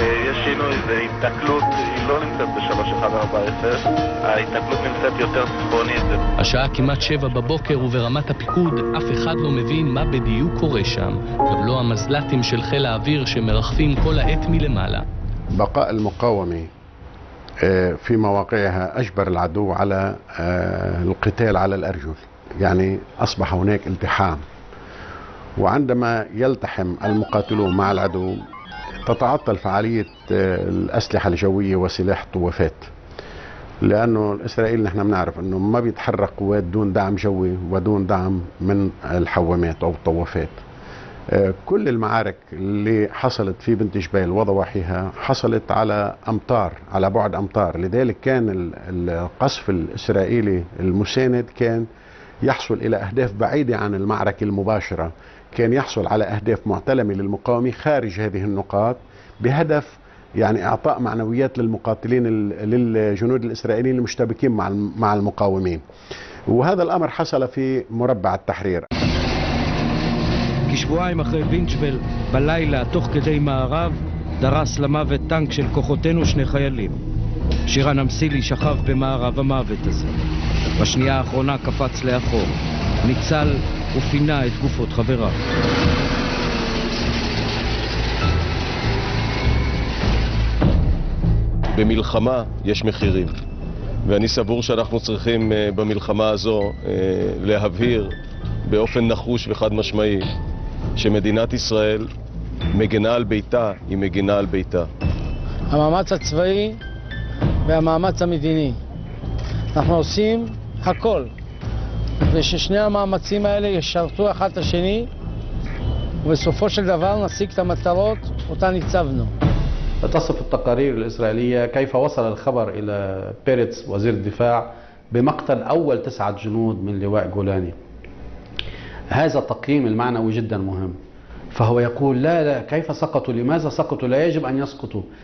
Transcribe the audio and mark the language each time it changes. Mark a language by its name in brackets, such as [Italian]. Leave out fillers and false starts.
[Hebrew] יש שינוי, זה התקלות, היא לא נמצאת ב-3-1-4-0, ההתקלות נמצאת יותר צפונית. השעה כמעט 7 בבוקר וברמת הפיקוד, אף אחד לא מבין מה בדיוק קורה שם. גם לא המזלטים של חיל האוויר שמרחפים כל העת מלמעלה. בקע אל-מקאומי. [Arabic] في مواقعها أجبر العدو على القتال على الأرجل، يعني أصبح هناك التحام، وعندما يلتحم المقاتلون مع العدو تتعطل فعالية الأسلحة الجوية وسلاح الطوافات، لأنه الإسرائيل نحن بنعرف أنه ما بيتحرك قوات دون دعم جوي ودون دعم من الحوامات أو الطوافات. كل المعارك اللي حصلت في بنت جبيل وضواحيها حصلت على أمطار، على بعد أمطار، لذلك كان القصف الإسرائيلي المساند كان يحصل إلى أهداف بعيدة عن المعركة المباشرة، كان يحصل على أهداف معتلمة للمقاومة خارج هذه النقاط بهدف يعني إعطاء معنويات للمقاتلين للجنود الإسرائيليين المشتبكين مع المقاومين، وهذا الأمر حصل في مربع التحرير. [Hebrew] כשבועיים אחרי וינצ'בל, בלילה, תוך כדי מערב, דרס למוות טנק של כוחותינו 2 חיילים. שירן אמסילי שכב במערב המוות הזה. בשנייה האחרונה קפץ לאחור, ניצל ופינה את גופות חברה. במלחמה יש מחירים, ואני סבור שאנחנו צריכים במלחמה הזו להבהיר באופן נחוש וחד משמעי שמדינת ישראל מגינה על ביתה, היא מגינה על ביתה. המאמץ הצבאי והמאמץ המדיני. אנחנו עושים הכל, וששני המאמצים האלה ישרתו אחד את השני, ובסופו של דבר נשיג את המטרות אותן הצבנו. [Arabic] תתصف التقارير الإسرائيلية كيف وصل الخبر إلى بيرتس وزير الدفاع بمقتل أول 9 جنود من لواء جولاني. هذا التقييم المعنوي جدا مهم، فهو يقول لا كيف سقطوا، لماذا سقطوا، لا يجب أن يسقطوا.